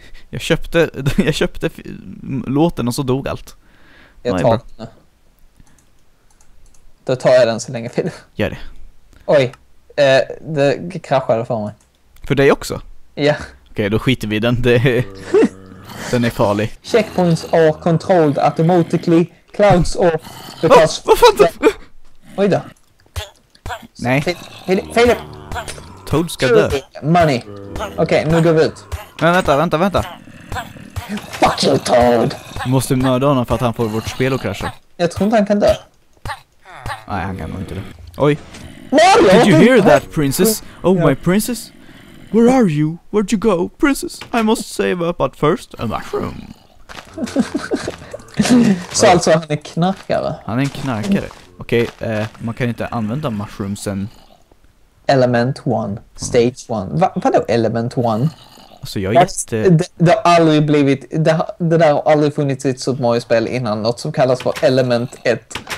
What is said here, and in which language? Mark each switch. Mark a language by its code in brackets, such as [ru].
[sv] Jag köpte låten och så dog allt. Jag tar den nu. Då tar jag den så länge, Filip. Gör det. Oj, det kraschade för mig. För dig också? Ja. Yeah. Okej, okay, då skiter vi den. Den är farlig. [en] Checkpoints are controlled automatically. Clouds are... [sv] Vad fan då? Oj då. Nej. Filip. Toad ska dö. Money. Okej, okay, nu går vi ut. Men vänta. [en] Fuck you, Toad. [sv] Vi måste mörda honom för att han får vårt spel att krascha. Jag tror inte han kan dö. Nej, han kan nog inte dö. Oj. [en] Mario, did you hear that, princess? Oh, yeah. My princess. Where are you? Where'd you go, princess? I must save up at first a mushroom. [sv] Så alltså, han är knarkare. Han är en knarkare. Okej, man kan inte använda mushroomsen. Element 1, stage 1. Vadå element 1? Alltså jag är jätte... Det har aldrig blivit... Det där har aldrig funnits i ett Super Mario-spel innan. Något som kallas för element 1.